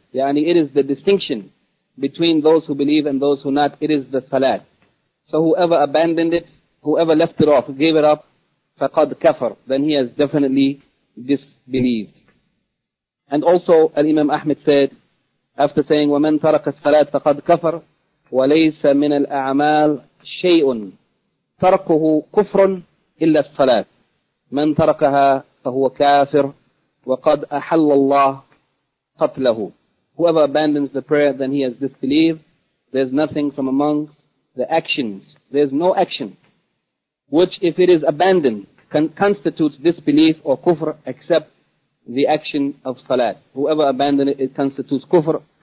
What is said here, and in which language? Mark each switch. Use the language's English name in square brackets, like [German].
[English] Yani it is the distinction between those who believe and those who not. It is the salat. So whoever abandoned it, whoever left it off, gave it up, [Arabic] فقد كفر, [English] then he has definitely disbelieved. And also, Al-Imam Ahmed said, after saying [Arabic] وَمَنْ تَرَكَ الصَّلَاةَ فَقَدْ كَفَرَ وَلَيْسَ مِنَ الْأَعْمَالِ شَيْءٌ تَرَكُهُ كُفْرٌ إِلَّا الصَّلَاةَ مَنْ تَرَكَهَا فَهُوَ كَافِرٌ وَقَدْ أَحَلَّ اللَّهُ قَتْلَهُ. [English] Whoever abandons the prayer, then he has disbelieved. There's nothing from amongst the actions. There's no action which, if it is abandoned, constitutes disbelief or kufr, except the action of salat. Whoever abandons it, it constitutes kufr.